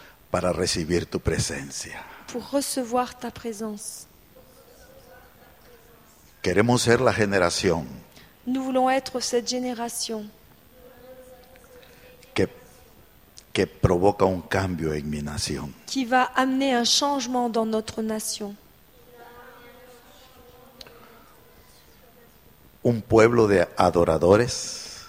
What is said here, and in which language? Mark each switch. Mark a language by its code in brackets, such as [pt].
[es] Para recibir tu presencia. [fr] Pour recevoir ta présence. [es] Queremos ser la generación. [fr] Nous voulons être cette génération. [es] Que provoca un cambio en mi nación. [fr] Qui va amener un changement dans notre nation. [es] Un pueblo de adoradores.